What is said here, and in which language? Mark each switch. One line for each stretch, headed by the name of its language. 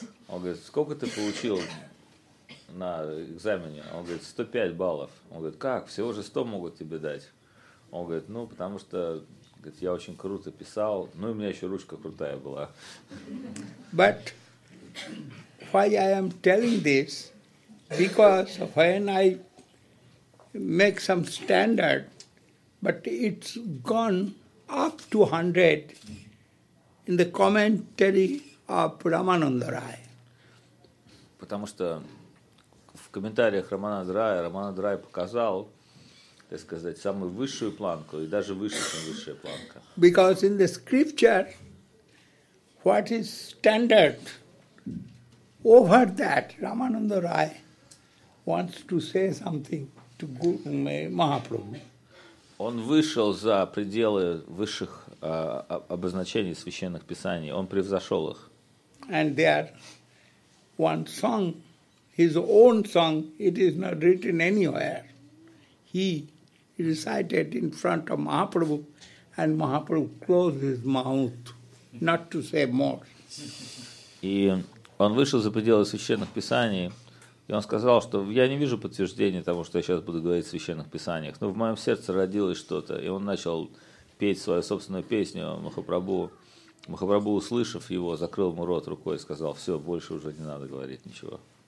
Russian: Он говорит, сколько ты получил на экзамене? Он говорит, 105 баллов. Он говорит, как, всего же 100 могут тебе дать? Он говорит, ну, потому что, говорит, я очень круто писал, ну, и у меня еще ручка крутая была.
English: But... Why I am telling this? Because when I make some standard, but it's gone up to 100 in the commentary of Рамананда Рай.
Russian: Потому что в комментариях Рамананда Рай показал, так сказать, самую высшую планку и даже выше, чем высшая планка.
English: Because in the scripture, what is standard? Over that, Рамананда Рай wants to say something to Guru Mahaprabhu.
Russian: Он вышел за пределы высших обозначений священных писаний. Он превзошел их.
English: And there, one song, his own song, it is not written anywhere. He recited in front of Mahaprabhu and Mahaprabhu closed his mouth not to say more.
Russian: И он вышел за пределы священных писаний, и он сказал, что я не вижу подтверждения того, что я сейчас буду говорить в священных писаниях, но в моем сердце родилось что-то, и он начал петь свою собственную песню Махапрабху. Махапрабху, услышав его, закрыл ему рот рукой и сказал, все, больше уже не надо говорить ничего.